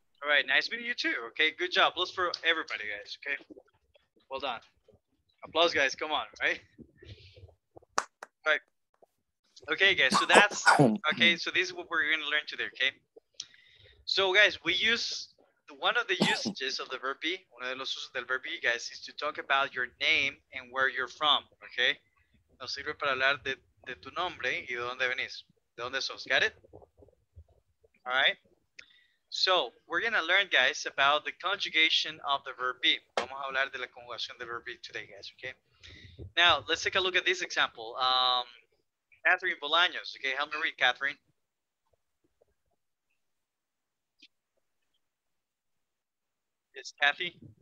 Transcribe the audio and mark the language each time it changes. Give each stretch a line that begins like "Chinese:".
English: All right. Nice meeting you too. Okay. Good job. Applause for everybody, guys. Okay. Well done. Applause, guys. Come on. Right. All right. Okay, guys. So that's okay. So this is what we're going to learn today. Okay. So guys, we use one of the usages of the verb be. One of
Spanish: los usos del
English: verb be, guys, is to talk about your name and where you're from. Okay.
Spanish: Nos sirve para hablar de tu nombre y de dónde venís, de dónde sos,
English: got it? All right, so we're gonna learn, guys, about the conjugation of the verb be.
Spanish: Vamos a hablar de la conjugación del verb be
English: today, guys, okay? Now, let's take a look at this example. Catherine Bolaños, okay, help me read, Catherine. Yes, Kathy?